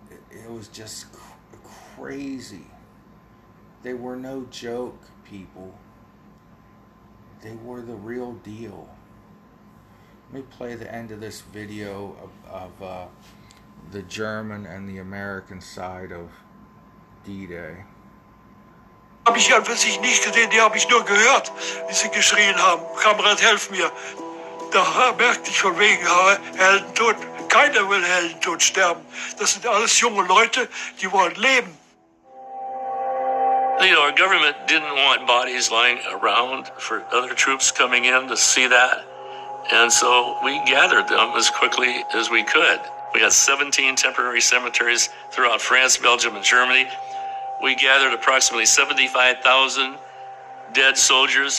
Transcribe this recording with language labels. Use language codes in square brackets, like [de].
[en] It was just crazy. They were no joke, people. They were the real deal. Let me play the end of this video of the German and the American side of D-Day. [de] Hab ich an für sich nicht gesehen, die habe ich nur gehört, wie sie geschrien haben. Kamerad, helf mir. Da merkte ich von wegen Heldentod. Keiner will Heldentod sterben. Das sind alles junge Leute, die wollen leben. [en] You know, our government didn't want bodies lying around for other troops coming in to see that. And so we gathered them as quickly as we could. We had 17 temporary cemeteries throughout France, Belgium, and Germany. We gathered approximately 75,000 dead soldiers.